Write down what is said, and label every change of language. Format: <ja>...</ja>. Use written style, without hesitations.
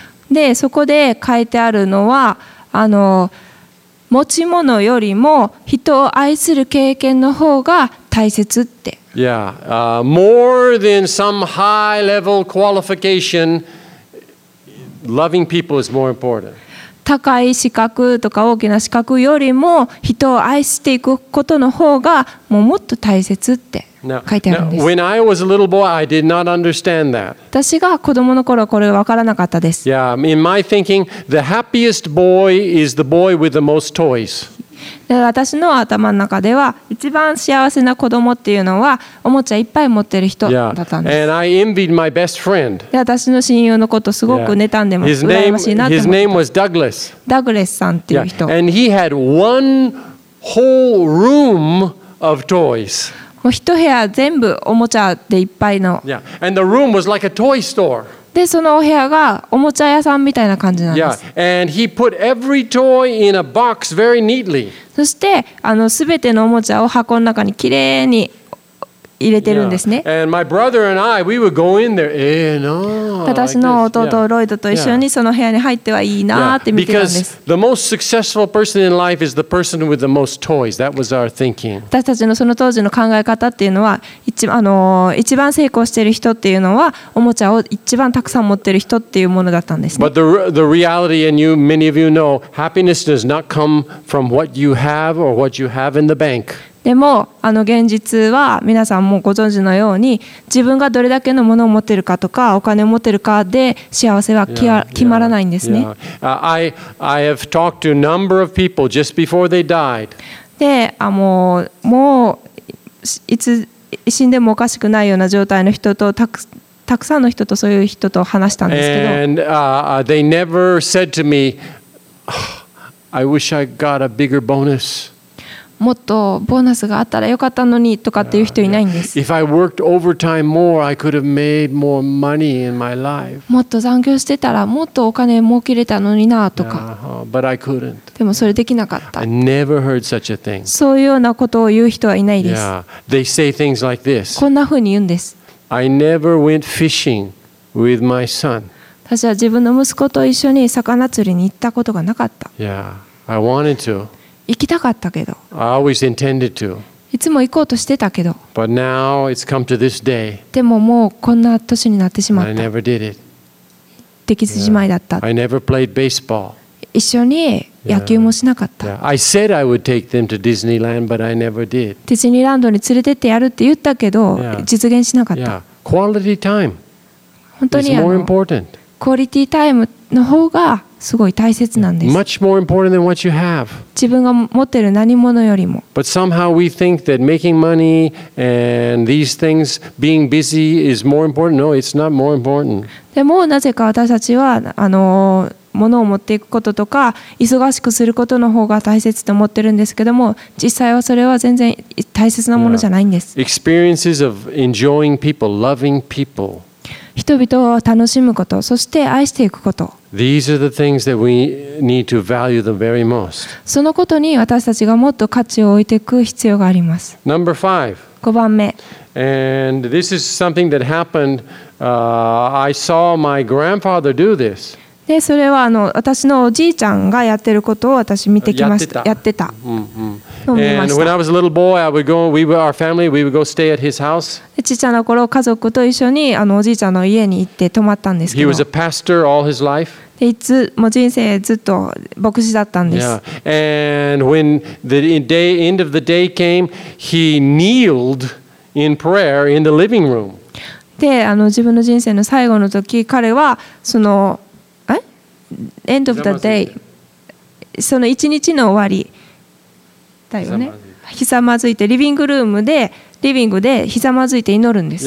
<ja>で、そこで書いてあるのは、持ち物よりも人を愛する経験の方が大切って。</ja> <en>Yeah, more than some high level qualification, loving people is more important.</en> <ja>高い資格とか大きな資格よりも人を愛していくことの方がもうもっと大切って書いてあるんです。</ja> <en>Now, when I was a little boy, I did not understand that.</en> <ja>私が子供の頃はこれ分からなかったです。</ja> <en>Yeah, in my thinking, the happiest boy is the boy with the most toys.</en> <ja>私の頭の中では一番幸せな子供っていうのはおもちゃいっぱい持ってる人だったんです。</ja> <en>And I envied my best friend.</en> <ja>私の親友のことすごく妬んでます。羨ましいなって。</ja> <en>His name was Douglas.</en> <ja>ダグレスさんっていう人。</ja> <en>And he had one whole room of toys.</en> <ja>もう一部屋全部おもちゃでいっぱいの。</ja> <en>Yeah. And the room was like a toy store.</en> <ja>でそのお部屋がおもちゃ屋さんみたいな感じなんです。</ja> <en>Yeah. And he put every toy in a box very neatly.</en> <ja>そしてすべてのおもちゃを箱の中にきれいに入れてるんですね。</ja> <en>Yeah. And my brother and I, we would go in there. Eh, no.</en> <ja>私の弟、 like、ロイドと一緒にその部屋に入ってはいいなって見てたんです。</ja> <en>Yeah. Because the most successful person in life is the person with the most toys. That was our thinking.</en> <ja>私たちのその当時の考え方っていうのは、一番成功している人っていうのはおもちゃを一番たくさん持ってる人っていうものだったんですね。</ja> <en>But the reality, and you, many of you know, happiness does not come from what you have or what you have in the bank.</en> <ja>でも現実は皆さんもご存知のように自分がどれだけのものを持ってるかとかお金を持ってるかで幸せは決まらないんですね。</ja> <en>I have talked to a number of people just before they died.</en> <ja>で、もういつ死んでもおかしくないような状態の人とたくさんの人とそういう人と話したんですけど。</ja> <en>And they never said to me, I wish I got a bigger bonus.</en> <ja>もっとボーナスがあったらよかったのにとかっていう人いないんです。</ja> <en>If I worked overtime more, I could have made more money in my life.</en> <ja>もっと残業してたらもっとお金儲けれたのになとか。</ja> <en>But I couldn't.</en> <ja>でもそれできなかった。</ja> <en>I never heard such a thing.</en> <ja>そういうようなことを言う人はいないです。</ja> <en>They say things like this.</en> <ja>こんな風に言うんです。</ja> <en>I never went fishing with my son.</en> <ja>私は自分の息子と一緒に魚釣りに行ったことがなかった。</ja> <en>Yeah, I wanted to.</en> <ja>行きたかったけど。</ja> <en>I always intended to.</en> <ja>いつも行こうとしてたけど。</ja> <en>But now it's come to this day.</en> <ja>でももうこんな年になってしまった。</ja> <en>I never did it.</en> <ja>できずじまいだった。</ja> <en>I never played baseball.</en> <ja>一緒に野球もしなかった。</ja> <en>I said I would take them to Disneyland, but I never did.</en> <ja>ディズニーランドに連れてってやるって言ったけど、実現しなかった。</ja> <en>Quality time.</en> <ja>本当に</ja> <en>is more important.</en> <ja>クオリティタイムの方がすごい大切なんです。</ja> <en>Much more important than what you have.</en> <ja>自分が持ってる何物よりも。</ja> <en>But somehow we think that making money and these things, being busy, is more important. No, it's not more important.</en> <ja>でもなぜか私たちは物を持っていくこととか忙しくすることの方が大切と思ってるんですけども、実際はそれは全然大切なものじゃないんです。</ja> <en>Yeah. Experiences of enjoying people, loving people.</en> <ja>人々を楽しむこと、そして愛していくこと。</ja> <en>These are the things that we need to value the very most.</en> <ja>そのことに私たちがもっと価値を置いていく必要があります。</ja> <en>Number five.</en> <ja>五番目。</ja> <en>And this is something that happened. I saw my grandfather do this.</en> <ja>で、それは私のおじいちゃんがやってることを私見てきました。やってた。うんうん。</ja> <en>And when I was a little boy, I would go. We were our family. We would go stay at his house.</en> <ja>小さな頃、家族と一緒におじいちゃんの家に行って泊まったんですけど。</ja> <en>He was a pastor all his life.</en> <ja>いつも人生ずっと牧師だったんです。</ja> <en>Yeah. And when the end of the day came, he kneeled in prayer in the living room.</en> <ja>で、自分の人生の最後の時、彼はその</ja> <en>end of the day、</en> <ja>その一日の終わりだよね。ひざまずいて、リビングルームで、リビングでひざまずいて祈るんです。</ja>